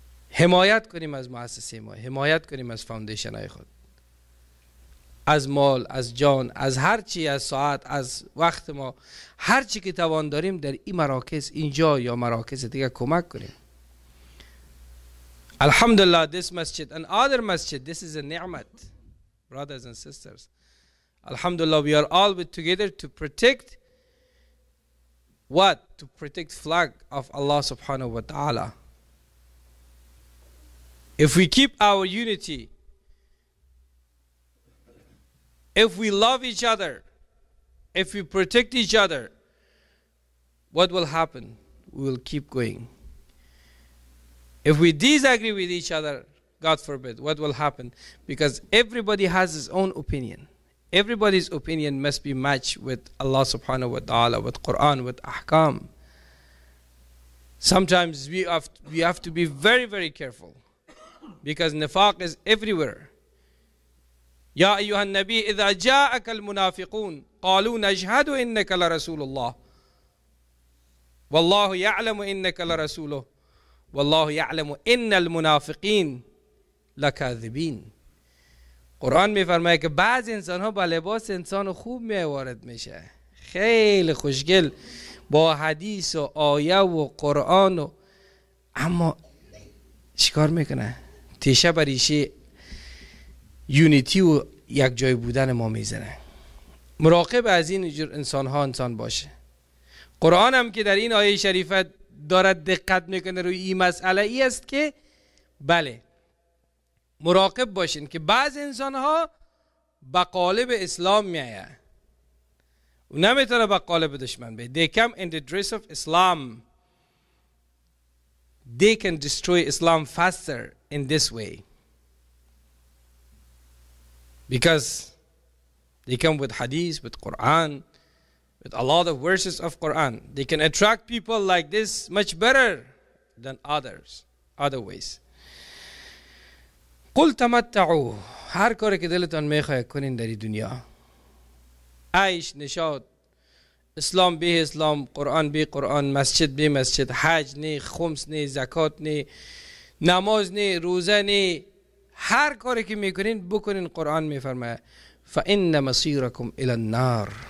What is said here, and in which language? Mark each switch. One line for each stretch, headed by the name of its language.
Persian: حمایت کنیم از مؤسسه ما، حمایت کنیم از فاندیشن های خود، از مال، از جان، از هر چی، از ساعت، از وقت ما، هر چی که توان داریم در این مراکز، اینجا یا مراکز دیگه کمک کنیم.
English: الحمدلله this masjid and other masjid, this is a ni'mat, brothers and sisters. Alhamdulillah we are all with together to protect what? To protect flag of Allah subhanahu wa ta'ala. If we keep our unity, if we love each other, if we protect each other, what will happen? We will keep going. If we disagree with each other, God forbid, what will happen? Because everybody has his own opinion. Everybody's opinion must be matched with Allah subhanahu wa ta'ala, with Quran, with ahkam. Sometimes we have to be very, very careful, because nifaq is everywhere.
Arabic: يا أيها النبي إذا جاءك المنافقون قالوا نشهد إنك لرسول الله والله يعلم إنك لرسوله والله يعلم إن المنافقين لكاذبين.
Persian: قرآن میفرمایه که بعض انسان ها با لباس انسان خوب میوارد میشه، خیلی خوشگل با حدیث و آیه و قرآن و، اما چیکار میکنه؟ تیشه بریشه یونیتی و یک جای بودن ما میزنه. مراقب از این جور انسان ها انسان باشه. قرآن هم که در این آیه شریفه دارد دقت میکنه روی این مسئله ای است که بله، مراقب باشین که بعض انسان ها به قالب اسلام میایه، او نمیتونه به قالب دشمن بیه.
English: They come in the dress of Islam. They can destroy Islam faster in this way. Because they come with hadith, with Quran, with a lot of verses of Quran. They can attract people like this much better than others, other ways.
Arabic: قل تمتعو،
Persian: هر کاری که دلتان میخواه کنین در این دنیا، عیش، نشاط، اسلام بی اسلام، قرآن بی قرآن، مسجد بی مسجد، حج نی، خمس نی، زکات نی، نماز نی، روزه نی، هر کاری که میکنین بکنین. قرآن میفرمه
Arabic: فَإِنَّ مَصِيرَكُمْ إِلَى النَّارِ